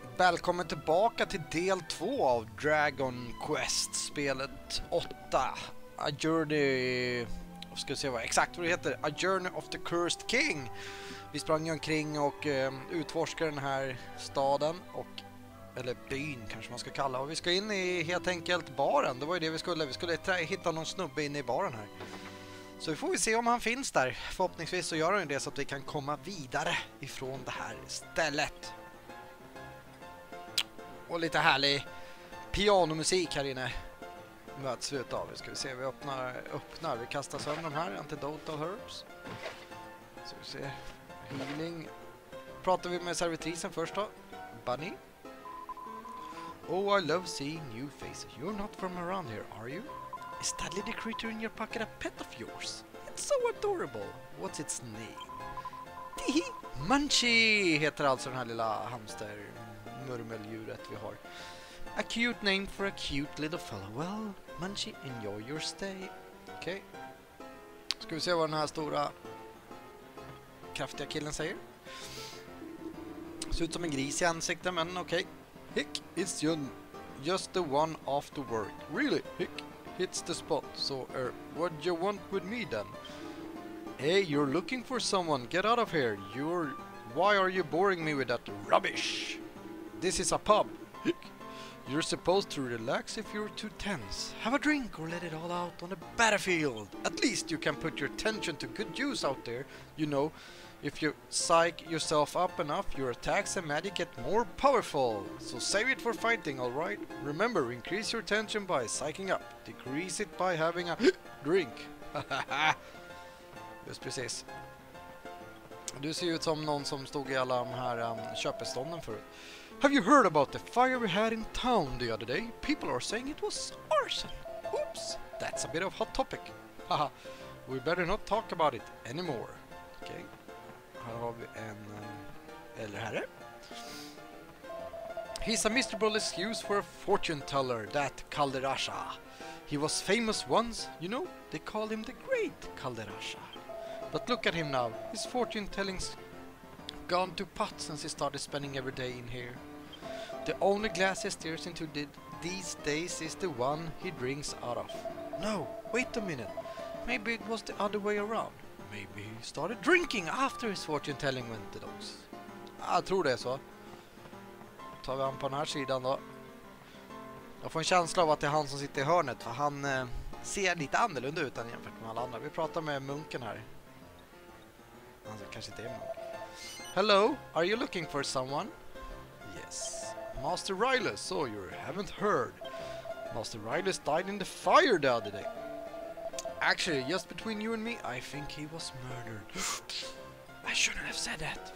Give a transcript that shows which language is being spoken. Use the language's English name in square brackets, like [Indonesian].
[Swedish] välkommen tillbaka till del 2 av Dragon Quest, spelet 8. A Journey... Ska se vad exakt vad det heter. [English] A Journey of the Cursed King. [Swedish] Vi sprang omkring och utforskade den här staden. Och, eller byn kanske man ska kalla. Och vi ska in i helt enkelt baren. Det var ju det vi skulle. Vi skulle hitta någon snubbe inne i baren här. Så vi får se om han finns där. Förhoppningsvis så gör han det så att vi kan komma vidare ifrån det här stället. Och lite härlig pianomusik här inne möts vi utav. Ska vi se, vi öppnar. Vi kastar sönder de här, antidotal herbs. Ska vi se, healing. Pratar vi med servitrisen först då, Bunny. [English] Oh, I love seeing new faces. You're not from around here, are you? Is that little creature in your pocket a pet of yours? It's so adorable. What's its name? Tihi! [Swedish] Munchie heter alltså den här lilla hamster. Murmeldjuret vi har. [English] A cute name for a cute little fellow. Well, Munchie, enjoy your stay. Okej. Okay. [Swedish] Ska vi se vad den här stora kraftiga killen säger. Ser ut som en gris i ansiktet, men okej. Okay. [English] Hick, it's just the one after work. Really? Hick, hits the spot. So, what do you want with me then? Hey, you're looking for someone. Get out of here. Why are you boring me with that rubbish? This is a pub. You're supposed to relax if you're too tense. Have a drink or let it all out on the battlefield. At least you can put your tension to good use out there. You know, if you psych yourself up enough, your attacks and magic get more powerful. So save it for fighting, all right? Remember, increase your tension by psyching up. Decrease it by having a drink. [Swedish] Just precis. Du ser ut som någon som stod i alla de här köpestånden förut. [English] Have you heard about the fire we had in town the other day? People are saying it was arson. Oops, that's a bit of a hot topic. Haha, we better not talk about it anymore. Okej, okay. [Swedish] Här har vi en äldre herre. [English] He's a miserable excuse for a fortune teller, that Calderasha. He was famous once, you know, they call him the great Calderasha. But look at him now, his fortune telling's gone to pot since he started spending every day in here. The only glass he stares into these days is the one he drinks out of. No, wait a minute. Maybe it was the other way around. Maybe he started drinking after his fortune telling went to dogs. [Swedish] Jag tror det är så. Tar vi han på den här sidan då. Jag får en känsla av att det är han som sitter i hörnet. För han ser lite annorlunda ut än jämfört med alla andra. Vi pratar med munken här. Han kanske inte är munk. [English] Hello, are you looking for someone? Yes. Master Rylus, so you haven't heard. Master Rylus died in the fire the other day. Actually, just between you and me, I think he was murdered. I shouldn't have said that.